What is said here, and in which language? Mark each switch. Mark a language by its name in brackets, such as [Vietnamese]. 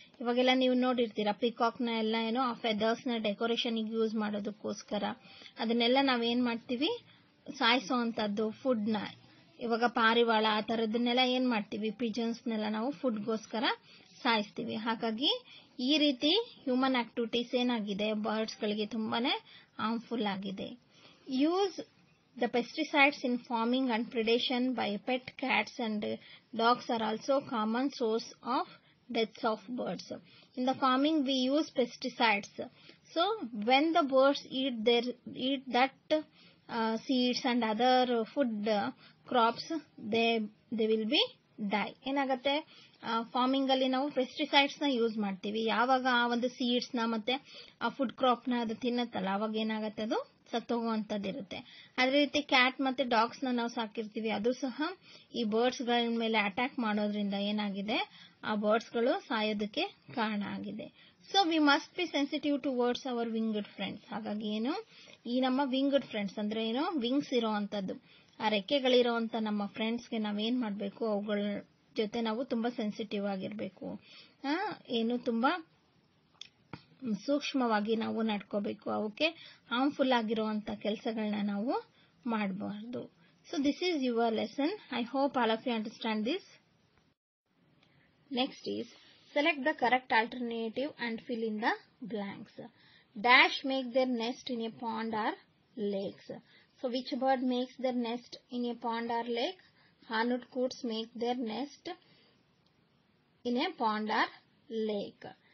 [Kannada] ಇವಾಗೆಲ್ಲ ನೀವು ನೋಡಿರ್ತೀರಾ, ಪಿಕಾಕ್ ನ ಎಲ್ಲ ಏನೋ ಆ ಫೆದರ್ಸ್ ನ ಡೆಕೋರೇಷನ್ ಯೂಸ್ ಮಾಡೋದಕ್ಕೋಸ್ಕರ ಅದನ್ನೆಲ್ಲ ನಾವೇನ್ ಮಾಡ್ತೀವಿ, ಸಾಯಿಸುವಂತದ್ದು ಫುಡ್ ನ. ಇವಾಗ ಪಾರಿವಾಳ ಆ ತರದನ್ನೆಲ್ಲ ಏನ್ ಮಾಡ್ತೀವಿ, ಪಿಜನ್ಸ್ ನೆಲ್ಲ ನಾವು ಫುಡ್ ಗೋಸ್ಕರ ಸಾಯಿಸ್ತೀವಿ. ಹಾಗಾಗಿ ಈ ರೀತಿ ಹ್ಯೂಮನ್ ಆಕ್ಟಿವಿಟೀಸ್ ಏನಾಗಿದೆ, ಬರ್ಡ್ಸ್ ಗಳಿಗೆ ತುಂಬಾನೇ ಹಾರ್ಮ್ಫುಲ್ ಆಗಿದೆ. [English] Use the pesticides in farming and predation by pet cats and dogs are also common source of deaths of birds. In the farming we use pesticides. So when the birds eat seeds and other food crops, they will be die. [Kannada] ಏನಾಗತ್ತೆ, farming ಅಲ್ಲಿ ನಾವು pesticides ನ use ಮಾಡ್ತೀವಿ. ಯಾವಾಗ ಆ ಒಂದು seeds ನ ಮತ್ತೆ ಆ ಫುಡ್ ಕ್ರಾಪ್ ನ ಅದು ತಿನ್ನತ್ತಲ್ಲ, ಅವಾಗ ಏನಾಗತ್ತೆ, ಅದು ಸತ್ತೋಗುವಂತದ್ದಿರುತ್ತೆ. ಅದೇ ರೀತಿ ಕ್ಯಾಟ್ ಮತ್ತೆ ಡಾಗ್ಸ್ ನ ನಾವು ಸಾಕಿರ್ತೀವಿ, ಅದು ಸಹ ಈ ಬರ್ಡ್ಸ್ ಗಳ ಮೇಲೆ ಅಟ್ಯಾಕ್ ಮಾಡೋದ್ರಿಂದ ಏನಾಗಿದೆ, ಆ ಬರ್ಡ್ಸ್ ಗಳು ಸಾಯೋದಕ್ಕೆ ಕಾರಣ ಆಗಿದೆ. [English] So we must be sensitive towards our winged friends. [Kannada] ಹಾಗಾಗಿ ಏನು, ಈ ನಮ್ಮ ವಿಂಗ್ಡ್ ಫ್ರೆಂಡ್ಸ್ ಅಂದ್ರೆ ಏನು, ವಿಂಗ್ಸ್ ಇರುವಂತದ್ದು ಆ ರೆಕ್ಕೆಗಳಿರುವಂತ ನಮ್ಮ ಫ್ರೆಂಡ್ಸ್ ಗೆ ನಾವೇನ್ ಮಾಡ್ಬೇಕು, ಅವುಗಳ ಜೊತೆ ನಾವು ತುಂಬಾ ಸೆನ್ಸಿಟಿವ್ ಆಗಿರ್ಬೇಕು, ಏನು ತುಂಬಾ ಸೂಕ್ಷ್ಮವಾಗಿ ನಾವು ನಡ್ಕೋಬೇಕು, ಅವಕ್ಕೆ ಹಾರ್ಮ್ಫುಲ್ ಆಗಿರುವಂತ ಕೆಲಸಗಳನ್ನ ನಾವು ಮಾಡಬಾರ್ದು. [English] So this is your lesson. I hope all of you understand this. Next is, select the correct alternative and fill in the blanks. Dash make their nest in a pond or lakes. So which bird makes their nest in a pond or lake? Hornet coots make their nest in a pond or lake.